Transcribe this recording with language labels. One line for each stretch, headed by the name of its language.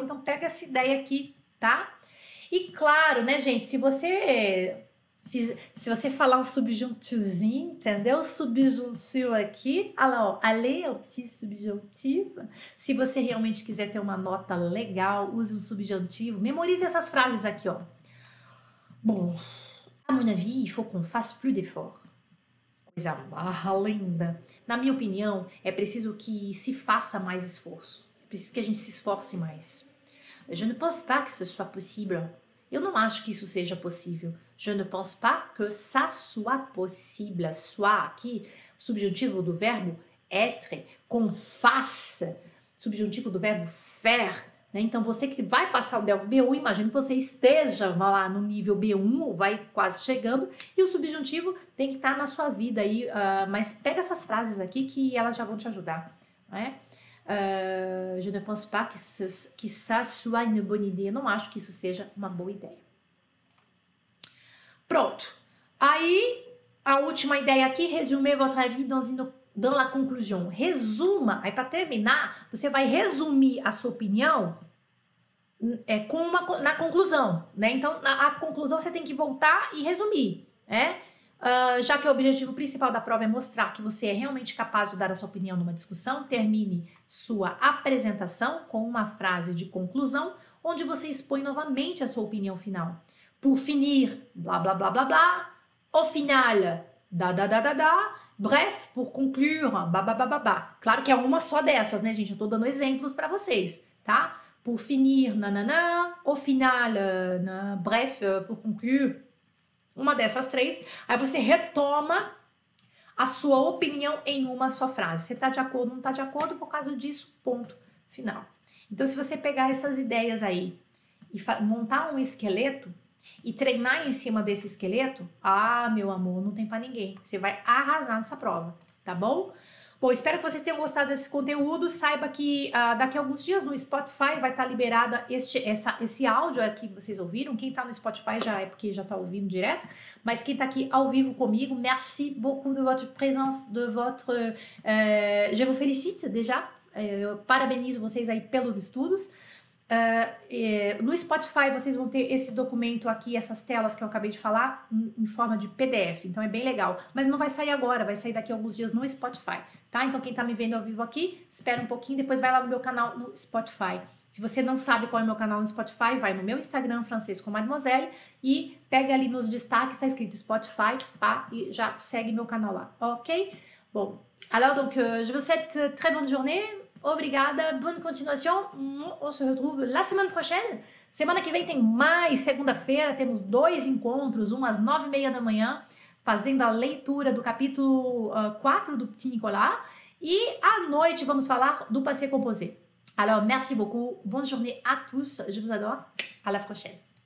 Portuguese: Então pega essa ideia aqui, tá? E claro, né, gente, se você falar um subjuntivozinho, entendeu? Subjuntivo aqui. Olha lá, allez, o petit subjuntivo. Se você realmente quiser ter uma nota legal, use um subjuntivo. Memorize essas frases aqui, ó.
French: Bom, à mon avis, il faut qu'on fasse plus d'efforts.
Portuguese: Coisa barra linda. Na minha opinião, é preciso que se faça mais esforço. É preciso que a gente se esforce mais.
French: Je ne pense pas que ce soit possible.
Portuguese: Eu não acho que isso seja possível.
French: Je ne pense pas que ça soit possible.
Portuguese: Soit aqui, subjuntivo do verbo être, com face, subjuntivo do verbo faire. Né? Então, você que vai passar o DELF B1, imagino que você esteja lá no nível B1 ou vai quase chegando, e o subjuntivo tem que estar na sua vida aí. Mas pega essas frases aqui que elas já vão te ajudar. Né?
French: Je ne pense pas que ça soit une bonne idée.
Portuguese: Eu não acho que isso seja uma boa ideia. Pronto. Aí, a última ideia aqui,
French: résumer votre avis dans la conclusion.
Portuguese: Resuma. Aí, para terminar, você vai resumir a sua opinião na conclusão, né? Então, a conclusão você tem que voltar e resumir, né? Já que o objetivo principal da prova é mostrar que você é realmente capaz de dar a sua opinião numa discussão, termine sua apresentação com uma frase de conclusão, onde você expõe novamente a sua opinião final.
French: Pour finir, blá, blá, blá, blá, blá. Au final, da, da, da, da, da. Bref, pour conclure,
Portuguese: blá, blá, blá, blá, blá. Claro que é uma só dessas, né, gente? Eu tô dando exemplos para vocês, tá?
French: Pour finir, nananã. Au final, bref, pour conclure.
Portuguese: Uma dessas três. Aí você retoma a sua opinião em uma só frase. Você tá de acordo ou não tá de acordo por causa disso? Ponto final. Então, se você pegar essas ideias aí e montar um esqueleto, e treinar em cima desse esqueleto, meu amor, não tem pra ninguém. Você vai arrasar nessa prova, tá bom? Bom, espero que vocês tenham gostado desse conteúdo. Saiba que daqui a alguns dias no Spotify vai estar liberada esse áudio aqui que vocês ouviram. Quem tá no Spotify já é porque já tá ouvindo direto. Mas quem tá aqui ao vivo comigo,
French: merci beaucoup de votre présence, de votre... je vous félicite, déjà.
Portuguese: Eu parabenizo vocês aí pelos estudos. No Spotify vocês vão ter esse documento aqui, essas telas que eu acabei de falar, em forma de PDF, então é bem legal, mas não vai sair agora, vai sair daqui a alguns dias no Spotify, tá? Então quem tá me vendo ao vivo aqui, espera um pouquinho, depois vai lá no meu canal no Spotify. Se você não sabe qual é o meu canal no Spotify, vai no meu Instagram, Francesco Mademoiselle, e pega ali nos destaques, tá escrito Spotify, pá, e já segue meu canal lá, ok?
French: Bom, alors donc, je vous souhaite très bonne journée.
Portuguese: Obrigada,
French: bonne continuation. On se retrouve la semaine prochaine.
Portuguese: Semana que vem tem mais, segunda-feira, temos dois encontros, um às 9h30 da manhã, fazendo a leitura do capítulo 4 do Petit Nicolas. E à noite vamos falar do
French: passé composé. Alors, merci beaucoup, bonne journée à tous, je vous adore, à la prochaine.